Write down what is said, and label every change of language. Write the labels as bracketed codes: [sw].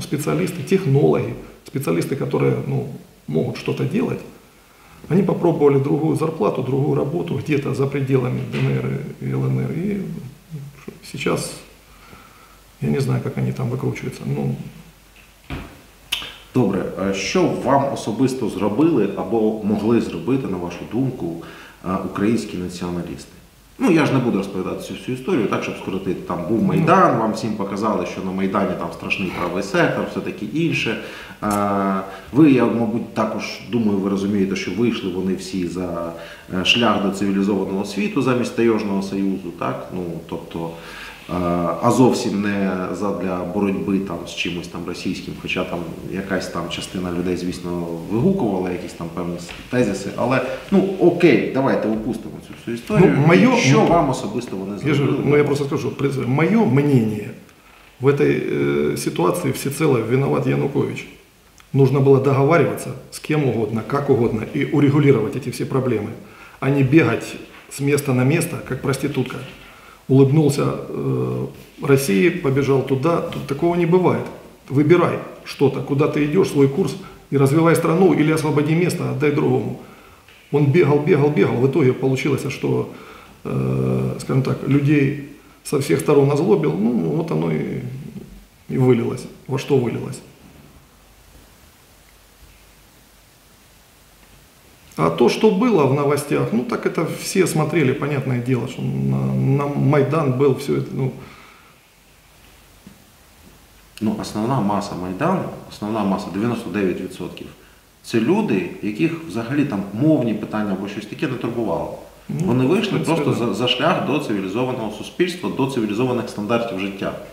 [ru] Специалисты, технологи, специалисты, которые, ну, могут что-то делать, они попробовали другую зарплату, другую работу где-то за пределами ДНР и ЛНР, и сейчас... Я не знаю, как они там выкручиваются, ну... [uk] Добре, а що вам особисто зробили або могли зробити, на вашу думку, українські націоналісти? Ну, я ж не буду розповідати цю всю історію, так, щоб скоротити, там був Майдан, ну, вам всім показали, що на Майдані там страшний правий сектор, все таке інше. Ви, я, мабуть, також думаю, ви розумієте, що вийшли вони всі за шлях до цивілізованого світу замість Таєжного Союзу, так? Ну, тобто... А зовсім не задля боротьби там з чимось там російським, хоча там якась там частина людей, звісно, вигукувала якісь там певні тезиси, але, ну, окей, давайте опустимо цю всю історію. Ну, моє, що ну, вам особисто вони зробили? [ru] Ну, я просто скажу, моє мнение в этой ситуации всецело виноват Янукович. Нужно было договариваться с кем угодно, как угодно и урегулировать эти все проблемы, а не бегать с места на место, как проститутка. Улыбнулся России, побежал туда, тут такого не бывает. Выбирай что-то, куда ты идешь, свой курс, и развивай страну, или освободи место, отдай другому. Он бегал, в итоге получилось, что, скажем так, людей со всех сторон озлобил, ну вот оно и вылилось, во что вылилось. А то, что было в новостях, ну так это все смотрели, понятное дело, что на Майдан был все это, ну. [uk] Ну, основная масса Майдану, основная масса, 99%, это люди, которых взагалі там мовні питання або щось таке не турбувало. Ну, вони вийшли просто за шлях до цивілізованого суспільства, до цивілізованих стандартів життя.